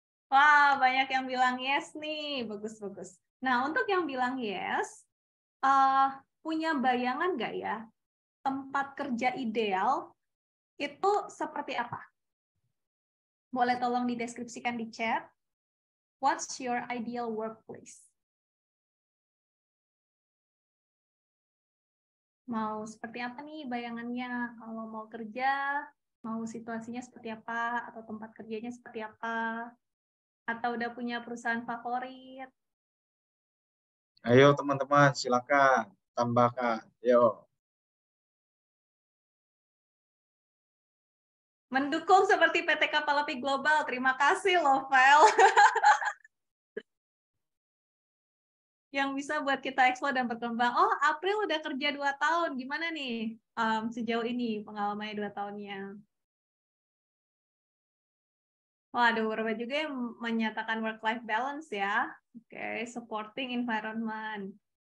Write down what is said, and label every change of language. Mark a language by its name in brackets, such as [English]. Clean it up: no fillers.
[Indonesian] Wah, banyak yang bilang yes nih, bagus-bagus. Nah, untuk yang bilang yes, punya bayangan nggak ya tempat kerja ideal itu seperti apa? Boleh tolong dideskripsikan di chat. [English] What's your ideal workplace? [Indonesian] Mau seperti apa nih bayangannya? Kalau mau kerja, mau situasinya seperti apa? Atau tempat kerjanya seperti apa? Atau udah punya perusahaan favorit? Ayo teman-teman, silakan. Tambahkan, yo. Mendukung seperti PT Kapal Api Global. Terima kasih loh, Val. Yang bisa buat kita eksplor dan berkembang. Oh, April udah kerja 2 tahun. Gimana nih sejauh ini pengalamannya 2 tahunnya? Waduh, berapa juga yang menyatakan work-life balance ya. [English] Oke, supporting environment.